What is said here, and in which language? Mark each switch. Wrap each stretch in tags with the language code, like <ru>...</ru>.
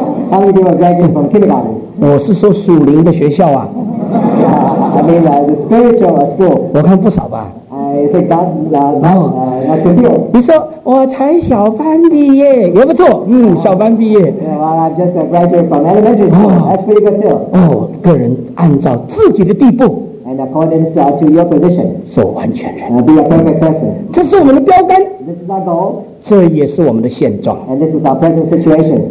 <en>How many people graduate from kindergarten?</en> <zh>我是说属灵的学校啊。</zh> <en>I mean the spiritual school.</en> <zh>我看不少吧。</zh> <en>I think that's a few.</en> <zh>你说我才小班毕业，也不错。小班毕业。</zh> <en>Well, I'm just a graduate from elementary school. That's pretty good too.</en> <zh>个人按照自己的地步。</zh> <en>And according to your position.</en> <zh>做完全人。</zh> <en>Be a perfect person.</en> <zh>这是我们的标杆。</zh> <en>This is our goal.</en> <zh>这也是我们的现状。</zh> <en>And this is our present situation.</en>